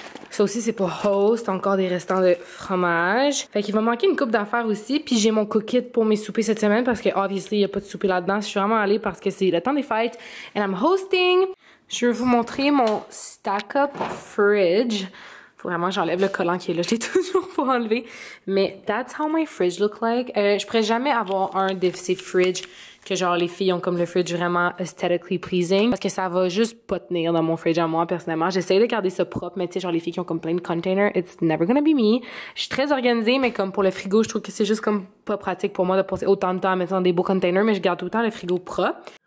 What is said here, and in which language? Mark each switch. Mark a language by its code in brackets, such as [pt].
[fr] Ça aussi, c'est pour host. Encore des restants de fromage. Fait qu'il va manquer une coupe d'affaires aussi. Puis j'ai mon cookit pour mes soupers cette semaine parce que, obviously, il n'y a pas de souper là-dedans. Je suis vraiment allée parce que c'est le temps des fêtes. [en] And I'm hosting. [fr] Je vais vous montrer mon stack-up fridge. Faut vraiment j'enlève le collant qui est là, je l'ai toujours pas enlevé. Mais [en] that's how my fridge look like. [fr] Je pourrais jamais avoir un de ces fridges que genre les filles ont comme le fridge vraiment [en] aesthetically pleasing. [fr] Parce que ça va juste pas tenir dans mon fridge à moi personnellement. J'essaie de garder ça propre, mais tu sais genre les filles qui ont comme plein de containers, [en] it's never gonna be me. [fr] Je suis très organisée, mais comme pour le frigo, je trouve que c'est juste comme pas pratique pour moi de passer autant de temps à mettre dans des beaux containers, mais je garde tout le temps le frigo propre.